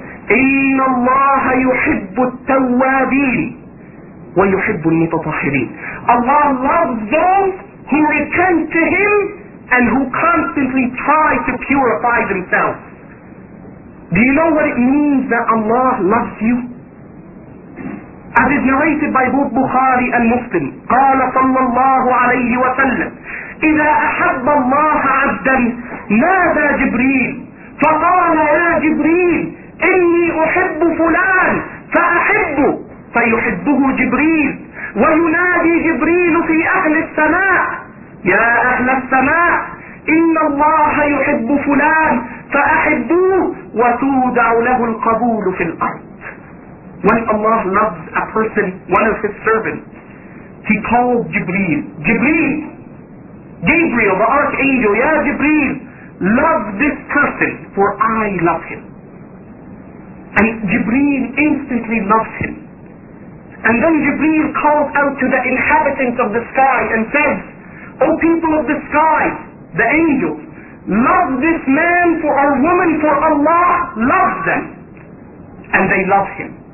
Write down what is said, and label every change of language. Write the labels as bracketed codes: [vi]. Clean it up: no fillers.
[ar] إِنَّ اللَّهَ يُحِبُّ التَّوَّابِينَ وَيُحِبُّ الْمُتَطَحِرِينَ. [en] Allah loves those who repent to Him and who constantly try to purify themselves. Do you know what it means that Allah loves you? As is narrated by both Bukhari and Muslim, [ar] قال صلى الله عليه وسلم إذا أحب الله عبدا نادى جبريل فقال يا جبريل إني أحب فلان فأحبه فيحبه جبريل وينادي جبريل في أهل السماء يا أهل السماء إن الله يحب فلان فأحبوه وتودع له القبول في الأرض. [en] When Allah loves a person, one of His servants, He called Jibreel. Jibreel! Gabriel, the archangel, ya Jibreel! Love this person, for I love him. And Jibreel instantly loves him. And then Jibreel calls out to the inhabitants of the sky and says, O people of the sky, the angels, love this man for a woman, for Allah loves them. And they love him.